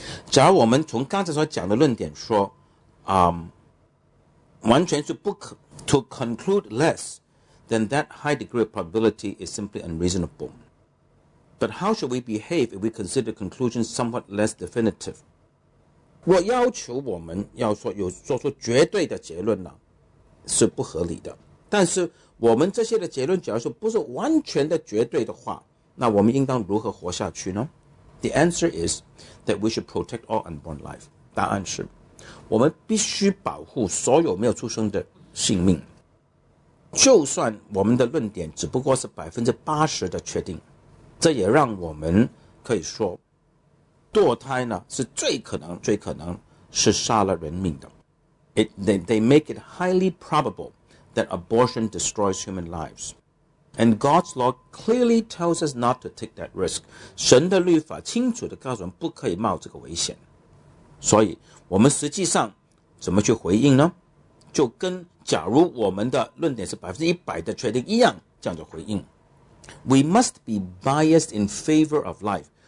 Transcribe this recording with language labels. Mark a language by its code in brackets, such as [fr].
[zh] 假如我们从刚才所讲的论点说完全是不可 [en] To conclude less than that high degree of probability is simply unreasonable。 But how should we behave if we consider conclusions somewhat less definitive? [zh] 我要求我们要说有做出绝对的结论呢，是不合理的。但是我们这些的结论，假如说不是完全的绝对的话，那我们应当如何活下去呢？ [en] The answer is that we should protect all unborn life. [zh] 答案是，我们必须保护所有没有出生的性命。就算我们的论点只不过是 80% 的确定，这也让我们可以说堕胎呢是最可能是杀了人命的。 [en] They make it highly probable that abortion destroys human lives. And God's law clearly tells us not to take that risk. [zh] 神的律法清楚地告诉我们不可以冒这个危险。所以我们实际上怎么去回应呢？就跟假如我们的论点是 100% 的确定一样，这样就回应。 [en] We must be biased in favor of life.